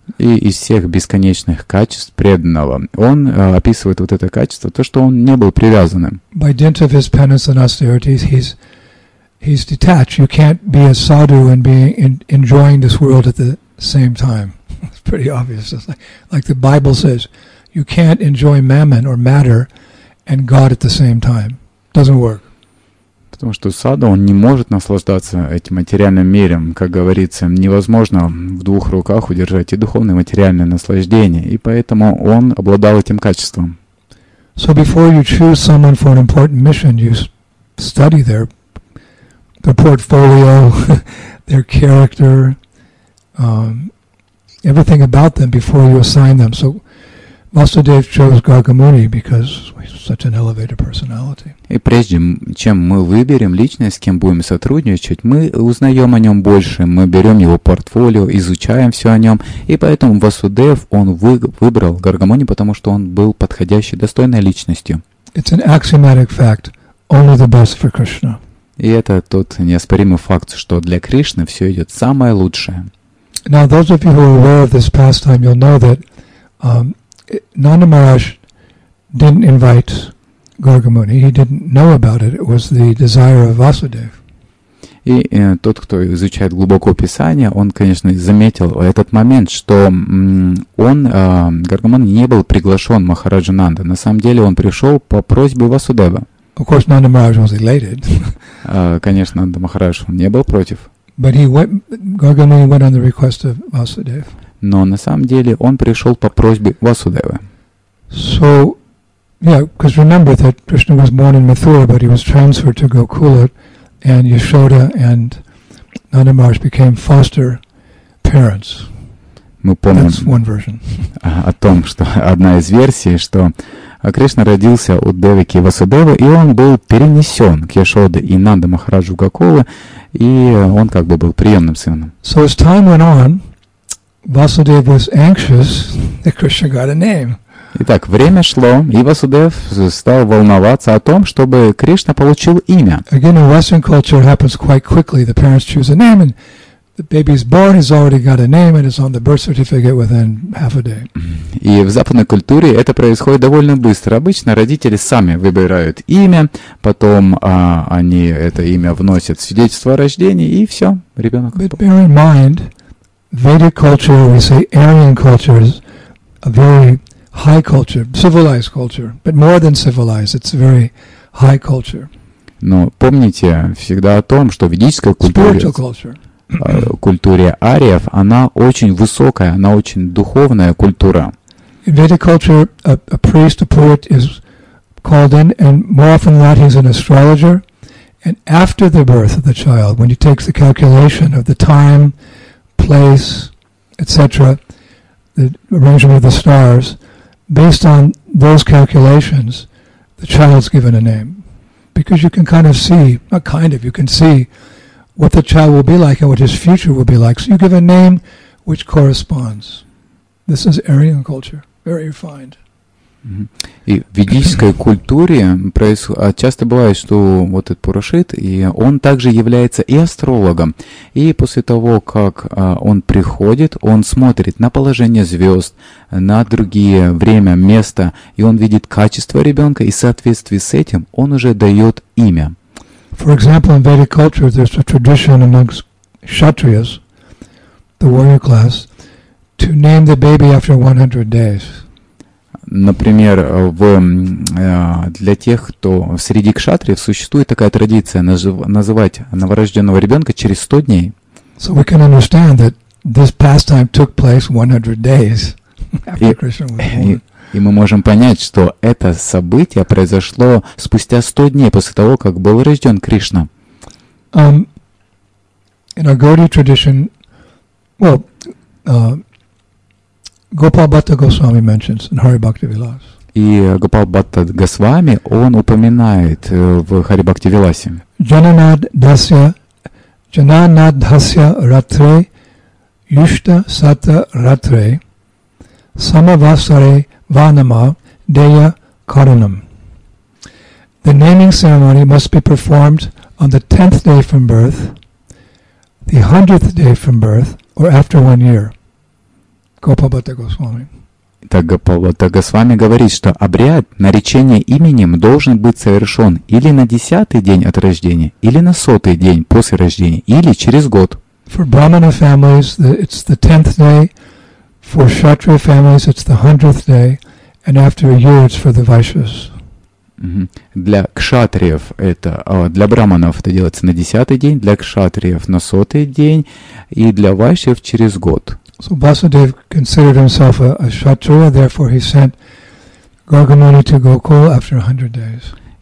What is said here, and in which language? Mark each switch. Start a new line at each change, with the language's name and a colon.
Russian: И из всех бесконечных качеств преданного он описывает вот это качество, то, что он не был привязанным.
English: By dint of his penance and austerity, he's detached. You can't be a sadhu and be enjoying this world at the same time. It's pretty obvious. It's like the Bible says, you can't enjoy mammon or matter and God at the same time. Doesn't work.
Russian: Потому что саду он не может наслаждаться этим материальным миром, как говорится, невозможно в двух руках удержать и духовное, и материальное наслаждение, и поэтому он обладал этим качеством.
English: So before you choose someone for an important mission, you study their portfolio, their character, everything about them before you assign them. So Vasudev chose Gargamuni because he's such an elevated personality.
Russian: И прежде чем мы выберем личность, с кем будем сотрудничать, мы узнаем о нем больше, мы берем его портфолио, изучаем все о нем, и поэтому Vasudev, он выбрал Gargamuni, потому что он был подходящей, достойной личностью.
English: It's an axiomatic fact. Only the best for Krishna.
Russian: И это тот неоспоримый факт, что для Кришны все идет самое лучшее.
English: Now, those of you who are aware of this pastime, you'll know that Nanda Maharaj didn't invite Gargamuni. He didn't know about it. It was the desire of Vasudev.
Russian: И тот, кто изучает глубоко Писание, он, конечно, заметил этот момент, что Гаргамуни не был приглашен Махараджа Нанда. На самом деле он пришел по просьбе Васудева.
English: Of course, Nanda Maharaj was elated.
Russian: Конечно, Нанда Махарадж не был против.
English: But he went. Gargamuni went on the request of Vasudev.
Russian: Но на самом деле он пришел по просьбе Васудева.
English: So, yeah, because remember that Krishna was born in Mathura, but he was transferred to Gokula, and Yashoda and Nanda Maharaj became foster parents.
Russian: Мы помним.
English: That's one version.
Russian: О том, что одна из версий, что Кришна родился от Девики Васудевы, и он был перенесен к Яшоде и Нанда Махараджу Гакулы, и он как бы был приемным сыном.
English: So as time went on, Vasudev was anxious that Krishna got a name.
Russian: Итак, время шло, и Васудев стал волноваться о том, чтобы Кришна получил имя.
English: Again, in Western culture, it happens quite quickly. The parents choose a name, and the baby is born, he's already got a name, and it's on the birth certificate within half a day.
Russian: И в западной культуре это происходит довольно быстро. Обычно родители сами выбирают имя, потом они это имя вносят в свидетельство о рождении, и все, ребенок.
English: But bear in mind, Vedic culture, we say Aryan culture, is a very high culture, civilized culture, but more than civilized, it's very high culture.
Russian: Но помните всегда о том, что ведическая культура...
English: Spiritual culture.
Russian: Культуре ариев, она очень высокая, она очень духовная культура.
English: In Vedic culture, a priest, a poet is called in, and more often than not, he's an astrologer. And after the birth of the child, when he takes the calculation of the time, place, etc., the arrangement of the stars, based on those calculations, the child's given a name. Because you can kind of see, not kind of, you can see what the child will be like and what his future will be like. So you give a name which corresponds. This is Aryan culture, very refined.
Russian: И в ведической культуре часто бывает, что вот этот Пурошит, и он также является и астрологом. И после того, как он приходит, он смотрит на положение звезд, на другие время, место, и он видит качество ребенка, и в соответствии с этим он уже дает имя.
English: For example, in Vedic culture, there's a tradition amongst Kshatriyas, the warrior class, to name the baby after 100 days.
Russian: Например, для тех, кто среди кшатриев, существует такая традиция называть новорожденного ребенка через 100 дней.
English: So we can understand that this pastime took place 100 days after Krishna was born.
Russian: И мы можем понять, что это событие произошло спустя 100 дней после того, как был рожден Кришна.
English: In our Gaudiya tradition, Gopal Bhatta Goswami mentions in Hari Bhakti Vilas.
Russian: И Гопал Бхатта Госвами, он упоминает в Хари Бхакти Виласе.
Sanskrit: Джананадхасья ратре юшта сата ратре самавасаре ванама дея каранам.
English: The naming ceremony must be performed on the 10th day from birth, the 100th day from birth, or after 1 year.
Russian: Гопал Бхатта Госвами. Итак, Гопал Бхатта Госвами говорит, что обряд наречения именем должен быть совершен или на 10-й день от рождения, или на 100-й день после рождения, или через год.
English: For Brahmana families, it's the 10th day. For Kshatriya families, it's the 100th day. And after a year, it's for the Vaishyas.
Russian: Для кшатриев это, для браманов это делается на 10-й день, для кшатриев на 100-й день, и для вайшьев через год.
English: So Vasudev considered himself a kshatriya, therefore he sent Gargamuni to Gokul after 100 days.